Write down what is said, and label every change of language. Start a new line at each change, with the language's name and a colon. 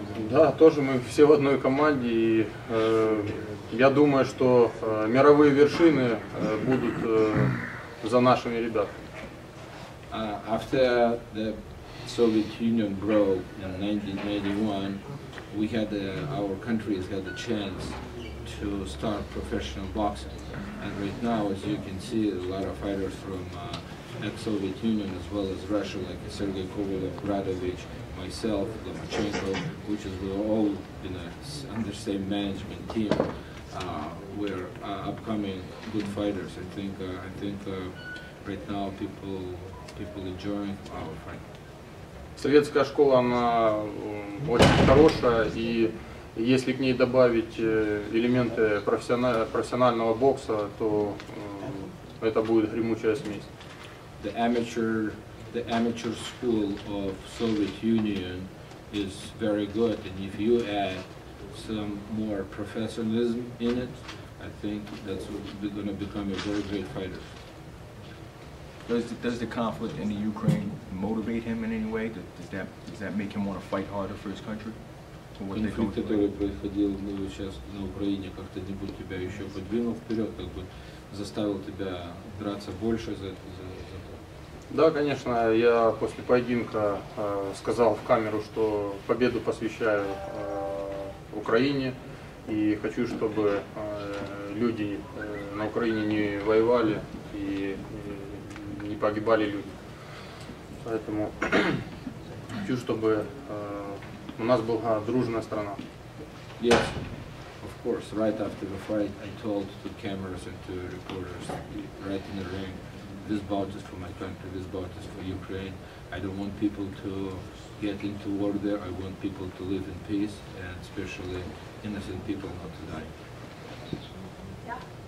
Russian: Да, тоже мы все в одной команде, и я думаю, что мировые вершины будут за нашими ребятами.
English: After the Soviet Union broke in 1991, we had our countries had the chance to start professional boxing, and right now, as you can see, a lot of fighters from ex-Soviet Union as well as Russia, like Sergey Kovalev, Gradovich, myself, Lomachenko, which is we're all in under the same management team. We're upcoming good fighters. I think right now people enjoying our fight.
Russian: Советская школа она очень хорошая, и если к ней добавить элементы профессионального бокса, то это будет гремучая смесь.
English: The amateur school of Soviet Union is very good, and if you add some more professionalism in it, I think that's going to become a very great fighter. Does the conflict in the Ukraine motivate him in any way? Does that make him want to fight harder for his country?
Russian: Конфликт, который происходил сейчас на Украине, как-то нибудь тебя еще подвинул вперед, как бы заставил тебя драться больше за это? Да, конечно, я после поединка сказал в камеру, что победу посвящаю Украине и хочу, чтобы люди на Украине не воевали и не погибали люди. Поэтому хочу, чтобы у нас была дружная страна.
English: Yes, of course, right after the fight I told to cameras and to reporters right in the ring. This bout is for my country, this bout is for Ukraine. I don't want people to get into war there. I want people to live in peace, and especially innocent people not to die.